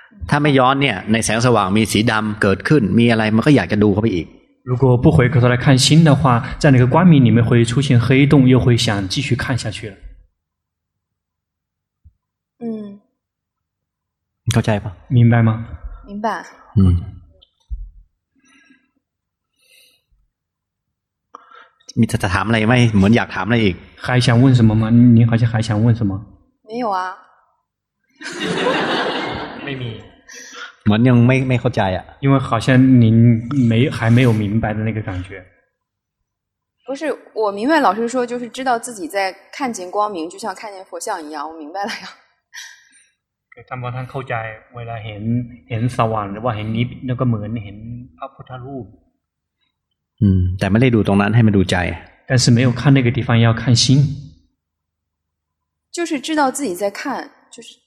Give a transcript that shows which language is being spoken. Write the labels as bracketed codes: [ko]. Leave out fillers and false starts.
[th] ถ้าไม่ย้อนเนี่ยในแสงสว่างมีสีดำเกิดขึ้นมีอะไรมันก็อยากจะดูเข้าไปอีก [zh] 如果不回过头来看心的话在那个光明里面会出现黑洞又会想继续看下去了嗯 [th] เข้าใจป่ะ [zh] 明白吗明白。嗯。你在谈了吗？我们要谈了还想问什么吗？你好像还想问什么？没有啊。妹妹。我们又没好加呀。因为好像您还没有明白的那个感觉。不是，我明白老师说就是知道自己在看见光明，就像看见佛像一样，我明白了呀。 [th] ก็ทำให้ท่านเข้าใจเวลาเห็นสว่างหรือว่าเห็นนิพพานก็เหมือนเห็นพระพุทธรูป แต่ไม่ได้ดูตรงนั้นให้มาดูใจ [zh] 但是没有看那个地方要看心就是知道自己在看就是